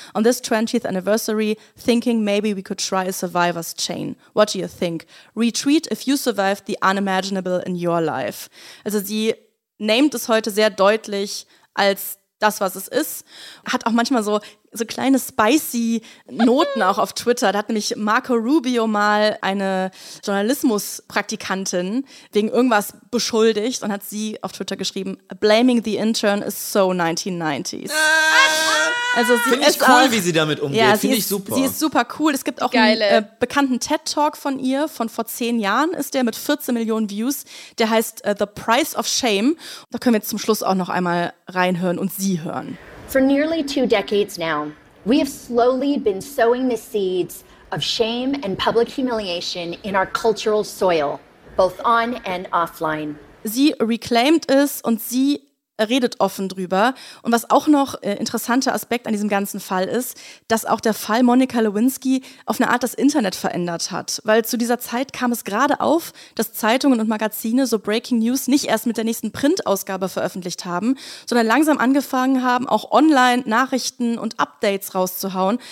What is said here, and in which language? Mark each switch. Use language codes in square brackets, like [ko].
[en] On this 20th anniversary, thinking maybe we could try a survivor's chain. What do you think? Retreat if you survived the unimaginable in your life." [de] Also sie named es heute sehr deutlich als das, was es ist. Hat auch manchmal so kleine spicy Noten auch auf Twitter. Da hat nämlich Marco Rubio mal eine Journalismus-Praktikantin wegen irgendwas beschuldigt und hat sie auf Twitter geschrieben, [en] "Blaming the intern is so 1990s. [de] Also sie finde ich ist cool, auch, wie sie damit umgeht. Ja, finde ich super. Sie ist super cool. Es gibt auch einen bekannten TED-Talk von ihr, von vor 10 Jahren ist der, mit 14 Millionen Views. Der heißt The Price of Shame. Da können wir jetzt zum Schluss auch noch einmal reinhören und sie hören. [en] For nearly 2 decades now, we have slowly been sowing the seeds of shame and public humiliation in our cultural soil, both on and offline. [de] Sie reclaimed es und sie redet offen drüber. Und was auch noch interessanter Aspekt an diesem ganzen Fall ist, dass auch der Fall Monica Lewinsky auf eine Art das Internet verändert hat. Weil zu dieser Zeit kam es gerade auf, dass Zeitungen und Magazine so Breaking News nicht erst mit der nächsten Printausgabe veröffentlicht haben, sondern langsam angefangen haben, auch online Nachrichten und Updates rauszuhauen.